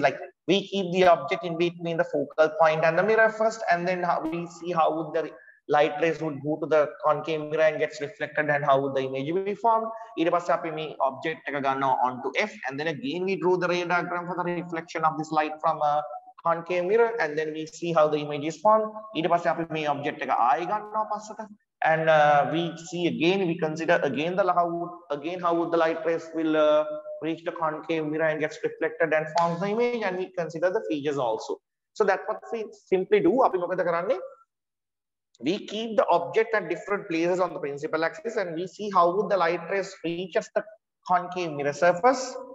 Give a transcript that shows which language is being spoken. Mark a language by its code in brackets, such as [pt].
[en] Like we keep the object in between the focal point and the mirror first, and then how we see how would the light rays would go to the concave mirror and gets reflected, and how would the image be formed. ඊට පස්සේ අපි මේ object එක ගන්නවා onto F, and then again we draw the radiogram for the reflection of this light from a concave mirror, and then we see how the image is formed. [si] ඊට පස්සේ අපි මේ object එක ආයෙ ගන්නවා පස්සට. [en] And we see again, we consider again the how would the light rays will reach the concave mirror and gets reflected and forms the image, and we consider the features also. So that's what we simply do. Api mokada karanne, we keep the object at different places on the principal axis, and we see how would the light rays reach the concave mirror surface,